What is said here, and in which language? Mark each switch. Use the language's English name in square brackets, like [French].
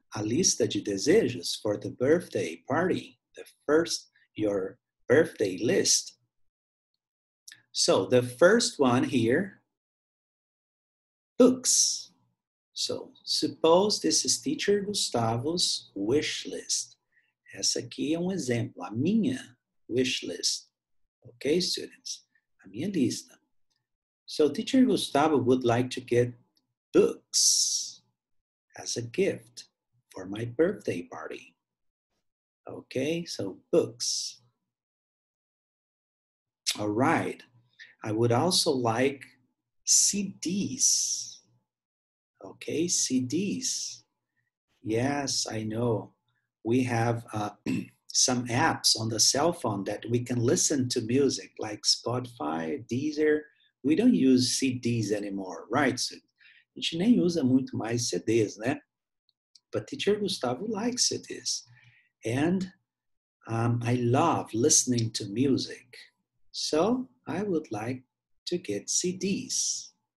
[Portuguese] A lista de desejos [English] for the birthday party. The first, your birthday list. So, the first one here, books. So, suppose this is teacher Gustavo's wish list. [Portuguese] Essa aqui é exemplo, a minha wish list. [English] Okay, students? [Portuguese] A minha lista. [English] So, teacher Gustavo would like to get books as a gift for my birthday party. Okay, so books. All right. I would also like CDs. Okay, CDs. Yes, I know. We have some apps on the cell phone that we can listen to music like Spotify, Deezer. We don't use CDs anymore, right? [Portuguese] So, a gente nem usa muito mais CDs, né? [English] But teacher Gustavo likes CDs. And I love listening to music. So I would like to get CDs.